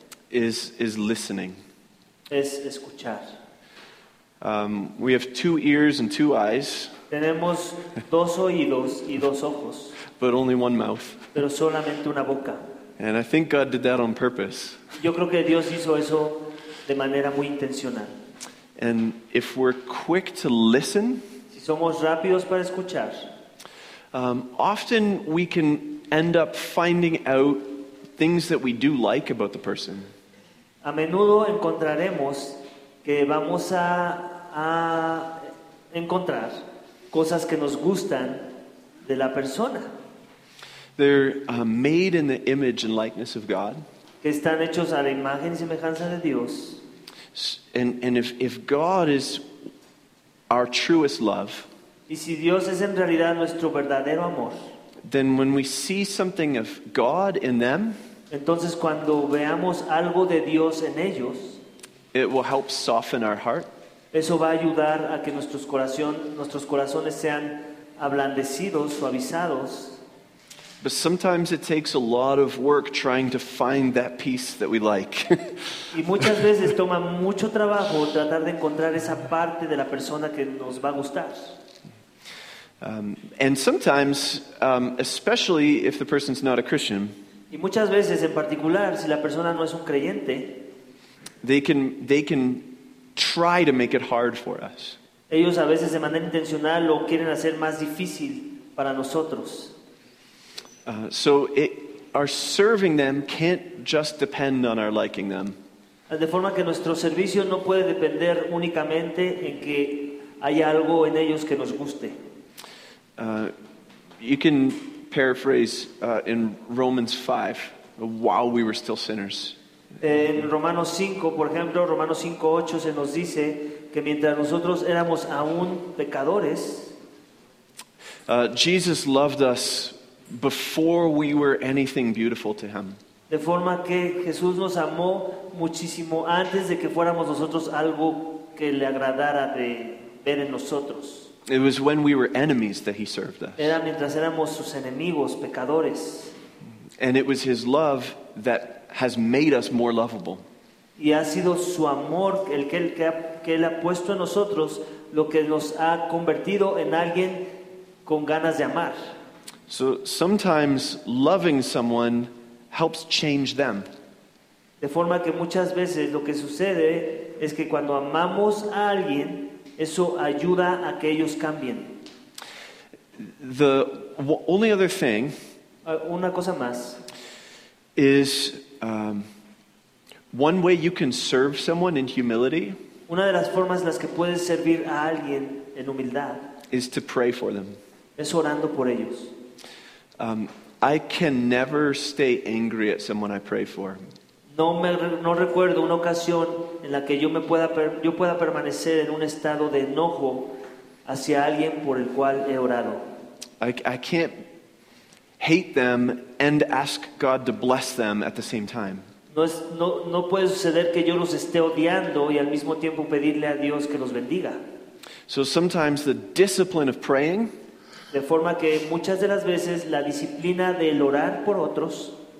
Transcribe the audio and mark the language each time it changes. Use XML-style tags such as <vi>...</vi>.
<en>Is listening.</en> <es>Es escuchar.</es> <en>We have two ears and two eyes.</en> <es>Tenemos dos oídos y dos ojos.</es> <en>But only one mouth.</en> <es>Pero solamente una boca.</es> <en>And I think God did that on purpose.</en> <es>Yo creo que Dios hizo eso de manera muy intencional.</es> <en>And if we're quick to listen,</en> <es>si somos rápidos para escuchar,</es> <en>often we can end up finding out things that we do like about the person.</en> <es>A menudo encontraremos que vamos a encontrar cosas que nos gustan de la persona.</es> <en>They're made in the image and likeness of God.</en> <es>Que están hechos a la imagen y semejanza de Dios.</es> <en>And if God is our truest love,</en> <es>y si Dios es en realidad nuestro verdadero amor,</es> <en>then when we see something of God in them,</en> <es>entonces cuando veamos algo de Dios en ellos,</es> <en>it will help soften our heart.</en> <es>Eso va a ayudar a que nuestros corazones sean ablandecidos, suavizados.</es> <en>But sometimes it takes a lot of work trying to find that piece that we like.</en> <es>Y muchas veces toma mucho trabajo tratar de encontrar esa parte de la persona que nos va a gustar.</es> <en>And sometimes, especially if the person's not a Christian,</en> <es>y muchas veces, en particular, si la persona no es un creyente,</es> <en>they can try to make it hard for us.</en> <es>Ellos a veces de manera intencional lo quieren hacer más difícil para nosotros.</es> <en>So our serving them can't just depend on our liking them.</en> <es>De forma que nuestro servicio no puede depender únicamente en que haya algo en ellos que nos guste.</es> <en>You can paraphrase in Romans 5, while we were still sinners.</en> <es>En Romanos 5, por ejemplo, Romanos 5, 8, se nos dice que mientras nosotros éramos aún pecadores,</es> <en>Jesus loved us before we were anything beautiful to him.</en> <es>De forma que Jesús nos amó muchísimo antes de que fuéramos nosotros algo que le agradara de ver en nosotros.</es> <en>It was when we were enemies that he served us.</en> <es>Era mientras éramos sus enemigos, pecadores.</es> <en>And it was his love that has made us more lovable.</en> <es>Y ha sido su amor el que él ha puesto en nosotros lo que nos ha convertido en alguien con ganas de amar.</es> <en>So sometimes loving someone helps change them.</en> <es>De forma que muchas veces lo que sucede es que cuando amamos a alguien, eso ayuda a que ellos cambien.</es> <en>The only other thing,</en> <es>una cosa más,</es> <en>is one way you can serve someone in humility.</en> <es>Una de las formas en las que puedes servir a alguien en humildad</es> <en>is to pray for them.</en> <es>Es orando por ellos.</es> <en>I can never stay angry at someone I pray for.</en> <es>No recuerdo una ocasión en la que yo pueda permanecer en un estado de enojo hacia alguien por el cual he orado.</es> <en>I can't hate them and ask God to bless them at the same time.</en> <es>No puede suceder que yo los esté odiando y al mismo tiempo pedirle a Dios que los bendiga.</es> <en>So sometimes the discipline of praying,</en> <es>de forma que muchas de las veces la disciplina del orar por otros,</es>